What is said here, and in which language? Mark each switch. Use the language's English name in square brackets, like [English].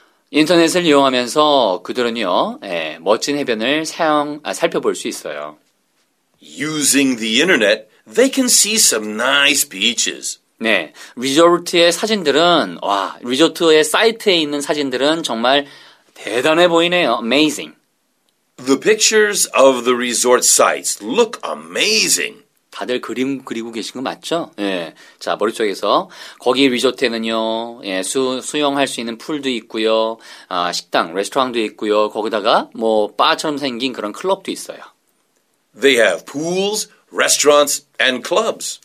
[Korean] 인터넷을 이용하면서 그들은요, 멋진 해변을 살펴볼 수 있어요. [English] Using the internet, they can see some nice beaches. [Korean] 네, 리조트의 사진들은 와, 리조트의 사이트에 있는 사진들은 정말 대단해 보이네요. [English] Amazing. The pictures of the resort sites look amazing. [Korean] 다들 그림 그리고 계신 거 맞죠? 예. 자, 머릿속에서 거기 리조트에는요. 예, 수영할 수 있는 풀도 있고요. 아, 식당, 레스토랑도 있고요. 거기다가 뭐 바처럼 생긴 그런 클럽도 있어요. [English] They have pools, restaurants and clubs.